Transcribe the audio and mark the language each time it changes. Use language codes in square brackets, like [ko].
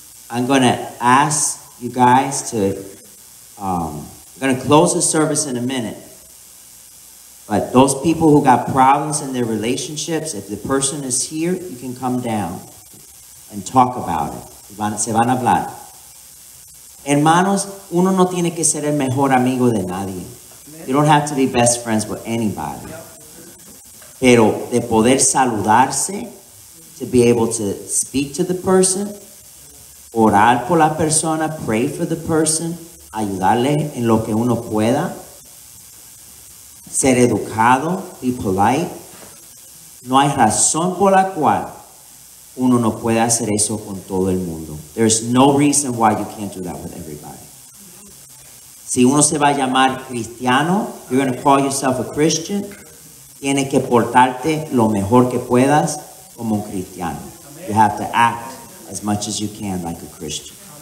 [en] I'm going to ask you guys to, I'm going to close the service in a minute. But those people who got problems in their relationships, if the person is here, you can come down and talk about it. [es] Se van a hablar. Hermanos, uno no tiene que ser el mejor amigo de nadie. [en] You don't have to be best friends with anybody. [es] Pero de poder saludarse, [en] to be able to speak to the person, [es] orar por la persona, [en] pray for the person, [es] ayudarle en lo que uno pueda, ser educado, [en] be polite. [es] No hay razón por la cual uno no puede hacer eso con todo el mundo. [en] There's no reason why you can't do that with everybody. [es] Si uno se va a llamar cristiano, [en] you're going to call yourself a Christian, [es] tienes que portarte lo mejor que puedas como un cristiano. [en] You have to act as much as you can like a Christian.